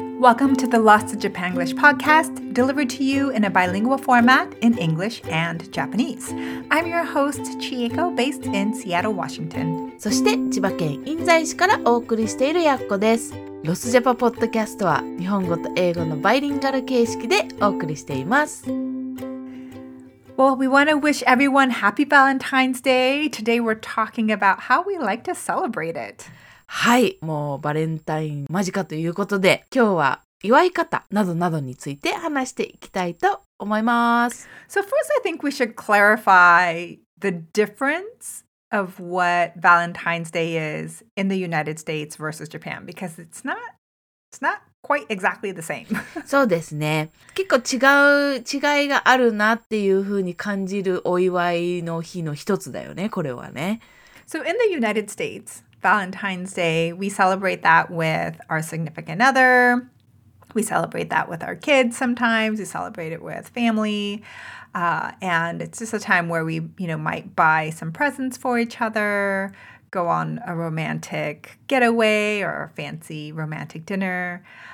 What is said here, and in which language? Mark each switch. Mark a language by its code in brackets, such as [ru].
[en] Welcome to the Lost Japanglish podcast, delivered to you in a bilingual format in English and Japanese. I'm your host, Chieko, based in Seattle, Washington. [ja] そして千葉県印西市からお送りしているやっこです。ロスジャパポッドキャストは日本語と英語のバイリンガル形式でお送りしています。 [en] Well, we want to wish everyone happy Valentine's Day. Today we're talking about how we like to celebrate it. [ja] はい、もうバレンタイン間近ということで、今日は祝い方などなどについて話していきたいと思います。 [en] So first, I think we should clarify the difference of what Valentine's Day is in the United States versus Japan, because it's not quite exactly the same. [ja] そうですね。結構違いがあるなっていうふうに感じるお祝いの日の一つだよね、これはね。 [en] So in the United States, Valentine's Day, we celebrate that with our significant other. We celebrate that with our kids sometimes. We celebrate it with family. And it's just a time where we, you know, might buy some presents for each other, go on a romantic getaway or a fancy romantic dinner.